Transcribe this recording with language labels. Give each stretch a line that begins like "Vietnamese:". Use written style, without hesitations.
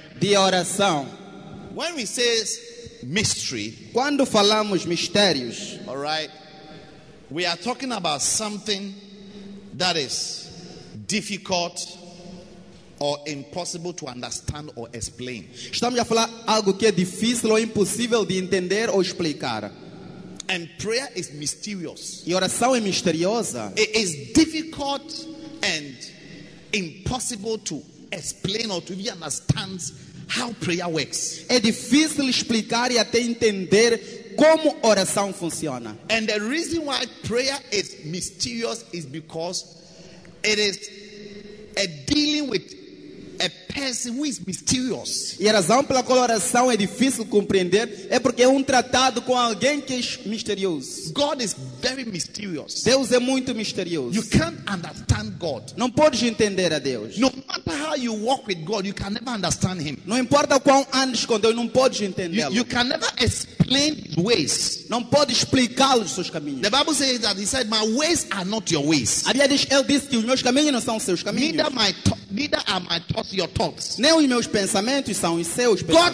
Portuguese: De oração.
English: When we say mystery,
Portuguese: quando falamos mistérios,
English: all right, we are talking about something that is difficult or impossible to understand or explain.
Portuguese: Estamos a falar algo que é difícil ou impossível de entender ou explicar.
English: And prayer is mysterious.
Portuguese: E oração é misteriosa.
English: It is difficult and impossible to explain or to even understand how prayer works.
Portuguese: É difícil explicar e até entender como oração funciona.
English: And the reason why prayer is mysterious is because it is a dealing with a person who is mysterious.
Portuguese: E a razão pela qual a oração é difícil compreender é porque é tratado com alguém que é misterioso.
English: God is very mysterious.
Portuguese: Deus é muito misterioso.
English: You can't understand God.
Portuguese: Não podes entender a Deus.
English: No matter how you walk with God, you can never understand him.
Portuguese: Não importa quão andes com Deus, não podes entendê-lo.
English: You can never explain his ways.
Portuguese: Não podes explicar os seus caminhos.
English: The Bible says that he said, my ways are not your ways.
Portuguese: A Bíblia diz, ele disse que os meus caminhos não são os seus caminhos.
English: Neither are my thoughts your thoughts.
Portuguese: Nem os meus pensamentos são os seus pensamentos.